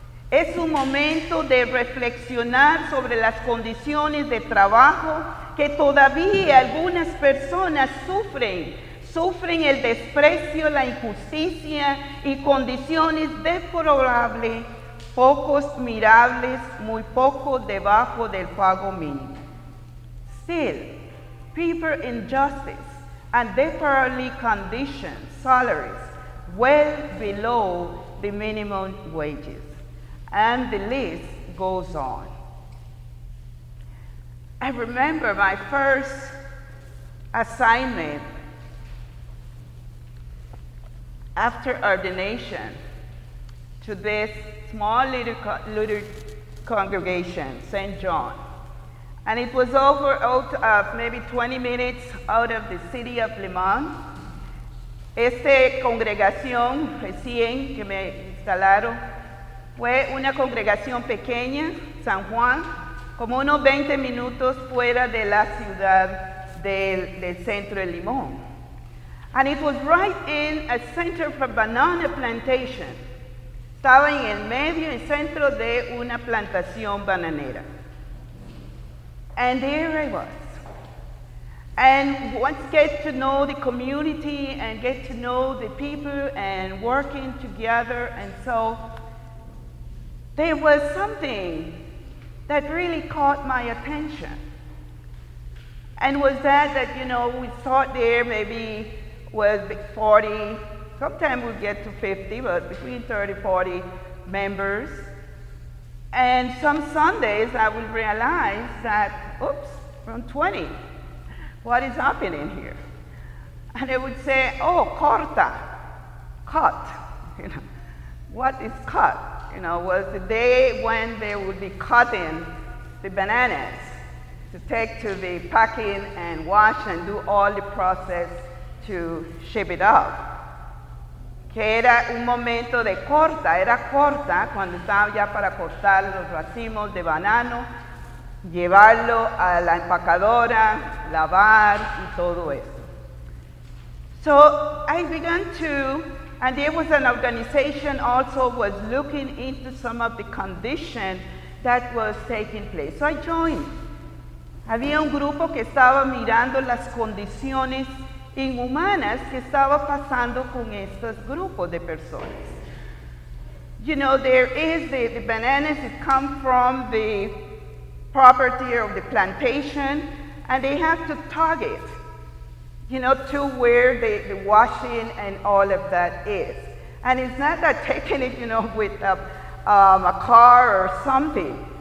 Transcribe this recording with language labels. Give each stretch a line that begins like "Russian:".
Spanish: Es un momento de reflexionar sobre las condiciones de trabajo que todavía algunas personas sufren el desprecio, la injusticia y condiciones deplorables, pocos mirables, muy poco debajo del pago mínimo.
English: Still, people in justice and deplorably conditioned salaries well below the minimum wages. And the list goes on. I remember my first assignment after ordination to this small little congregation, St. John. And it was over out of maybe 20 minutes out of the city of Limón.
Spanish: Esta congregación recién que me instalaron fue una congregación pequeña, San Juan, como unos 20 minutos fuera de la ciudad del centro de Limón.
English: And it was right in a center of a banana plantation.
Spanish: Estaba en el medio, en el centro de una plantación bananera.
English: And there I was. And once get to know the community and get to know the people and working together and so, there was something that really caught my attention. And was that, you know, we thought there maybe was 40, sometimes we get to 50, but between 30, 40 members. And some Sundays I would realize that, oops, from 20. what is happening here? And they would say, oh, corta, cut. You know, what is cut? You know, was the day when they would be cutting the bananas to take to the packing and wash and do all the process to ship it up.
Spanish: Que era un momento de corta, era corta, cuando estaba ya para cortar los racimos de banano, llevarlo a la empacadora, lavar y todo eso.
English: So I began to, and there was an organization also was looking into some of the condition that was taking place. So I joined.
Spanish: Había un grupo que estaba mirando las condiciones inhumanas que estaba pasando con estos grupos de personas.
English: You know, there is the bananas that come from the property of the plantation, and they have to tug it, you know, to where the washing and all of that is. And it's not that taking it, you know, with a car or something.